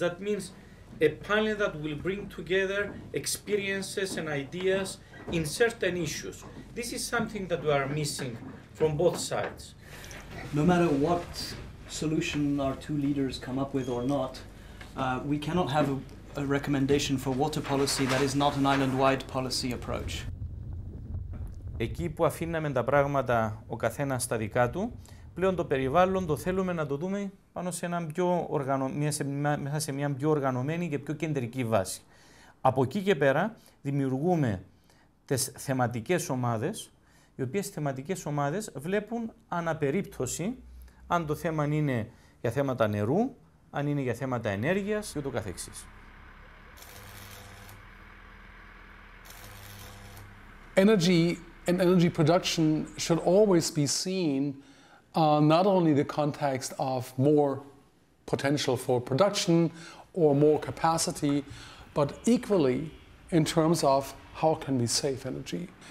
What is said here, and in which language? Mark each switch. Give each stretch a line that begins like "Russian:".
English: That means a panel that will bring together experiences and ideas in certain issues. This is something that we are missing from both sides. No matter what solution our two leaders come up with or not, we cannot have a recommendation for water policy that is not an island-wide policy approach.
Greek: Εκεί που αφήναμε τα πράγματα ο καθένας στα δικά του, πλέον το περιβάλλον το θέλουμε να το δούμε πάνω σε έναν πιο μέσα σε μια πιο οργανωμένη και πιο κεντρική βάση. Από εκεί και πέρα δημιουργούμε τις θεματικές ομάδες οι οποίες θεματικές ομάδες βλέπουν αναπερίπτωση αν το θέμα είναι για θέματα νερού, αν είναι για θέματα ενέργειας και ούτω καθεξής.
English: Energy and energy production should always be seen not only in the context of more potential for production or more capacity, but equally in terms of how can we save energy.